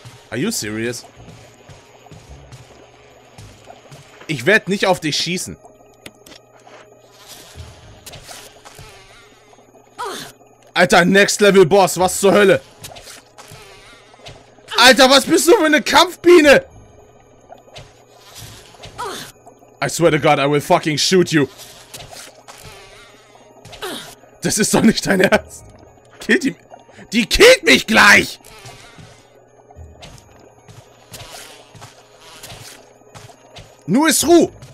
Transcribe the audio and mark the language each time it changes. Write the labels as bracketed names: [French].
[English] Are you serious? [German] Ich werde nicht auf dich schießen. Alter, Next Level Boss, was zur Hölle? Alter, was bist du für eine Kampfbiene? [English] I swear to God, I will fucking shoot you. [German] Das ist doch nicht dein Ernst. Killt die... Die killt mich gleich! Nur ist Ruhe!